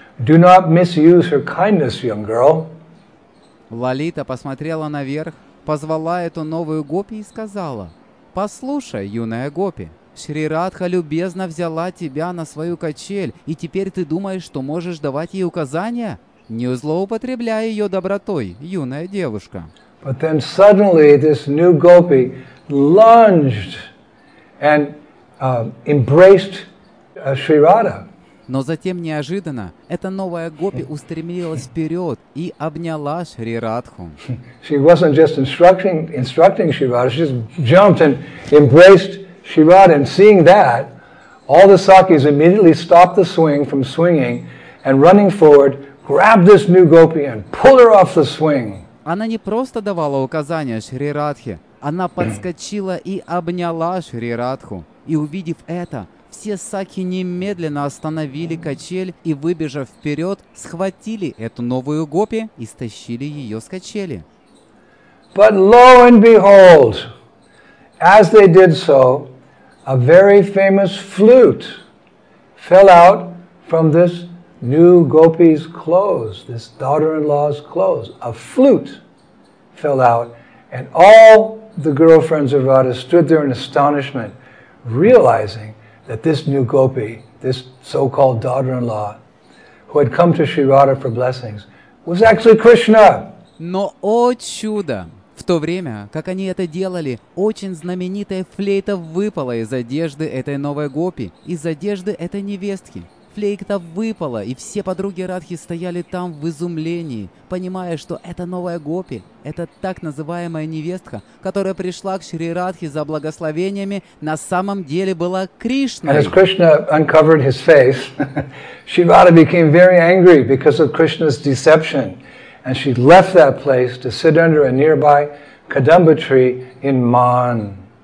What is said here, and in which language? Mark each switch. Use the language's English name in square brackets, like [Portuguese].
[English] Do not misuse her kindness, young girl." [Russian] Лалита посмотрела наверх, позвала эту новую гопи и сказала, "Послушай, юная гопи, Шри Радха любезно взяла тебя на свою качель, и теперь ты думаешь, что можешь давать ей указания? Не злоупотребляй ее добротой, юная девушка." [English] But then suddenly this new gopi lunged and embraced Shri Radha. [Russian] Но затем неожиданно эта новая гопи устремилась вперед и обняла Шри Радху. [English] She wasn't just instructing Shri Radha, she just jumped and embraced Shri Radha. And seeing that, all the sakis immediately stopped the swing from swinging and running forward, grab this new gopi and pull her off the swing. [Russian] Она не просто давала указания Шри Радхе, она подскочила и обняла Шри Радху. И увидев это, все сакхи немедленно остановили качель и, выбежав вперед, схватили эту новую гопи и стащили ее с качели. [English] But lo and behold, as they did so, a very famous flute fell out from this new gopi's clothes, this daughter-in-law's clothes. A flute fell out, and all the girlfriends of Radha stood there in astonishment, realizing that this new gopi, this so-called daughter-in-law, who had come to Shri Radha for blessings, was actually Krishna. [Russian] Но, о чудо! В то время, как они это делали, очень знаменитая флейта выпала из одежды этой новой гопи, из одежды этой невестки. флейта выпала, и все подруги Радхи стояли там в изумлении, понимая, что это новая гопи, это так называемая невестка, которая пришла к Шри Радхи за благословениями, на самом деле была Кришной. [English] And as Krishna uncovered his face, Shivada became very angry because of Krishna's deception, and she left that place to sit under a nearby kadamba tree in Mon.